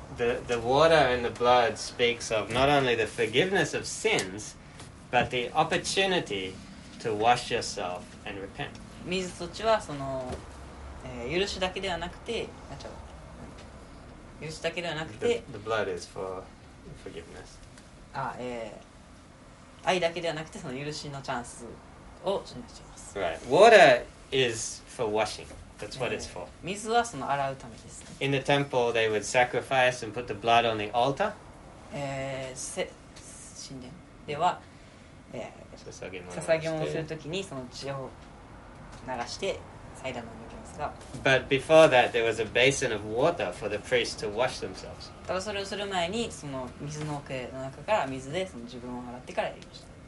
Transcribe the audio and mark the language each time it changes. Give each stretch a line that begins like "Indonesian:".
English: The water and the blood speaks of not only the forgiveness of sins, but the opportunity to wash yourself and repent.
Japanese: 水と血はその、許しだけではなくて、
English: The blood is for forgiveness.
Japanese: 愛だけではなくてその許しのチャンスを示しています。
English: Right, water is for washing. That's what it's for.
Japanese: 水はその洗うためです。
English: In the temple, they would sacrifice and put the blood on the altar.
Japanese: 神殿では、捧げ物をするときにその血を流して祭壇の上に置きますが。
English: But before that, there was a basin of water for the priests to wash themselves.
Japanese: ただそれをする前にその水の桶の中から水でその自分を洗ってからやりました。